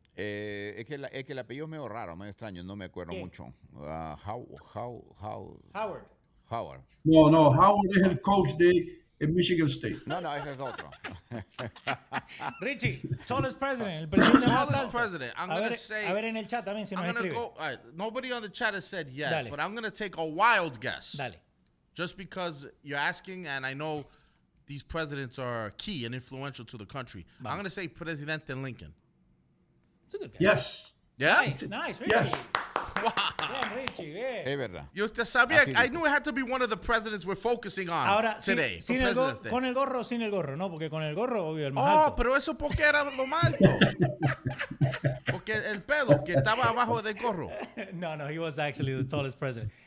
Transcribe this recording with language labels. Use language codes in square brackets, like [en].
[es] Es que el apellido es medio raro, medio extraño, no me acuerdo. ¿Qué? Mucho. Howard. No, Howard es el coach de Michigan State. No, ese es otro. Richie, [en] tallest president, [es] el presidente más alto. [en] President, [es] a ver en el chat también si nos escribe. [en] Nobody on the chat has said yet, [es] dale. [en] But I'm going to take a wild guess. [es] Dale. [en] Just because you're asking and I know these presidents are key and influential to the country. [es] Vale. [en] I'm going to say Presidente Lincoln. It's a good guess. Yes. Yeah. Nice, nice, Richie. Yes. Wow. Yeah, Richie, yeah. [es] Es verdad. Yo te sabía, [en] I knew it had to be one of the presidents we're focusing on [es] ahora, [en] today. [es] Sin el Day. Con el gorro o sin el gorro, ¿no? Porque con el gorro, obvio, el más oh, alto. Oh, pero eso porque era lo más alto. Porque el pelo que estaba abajo del gorro. [en] No, no, he was actually the tallest president.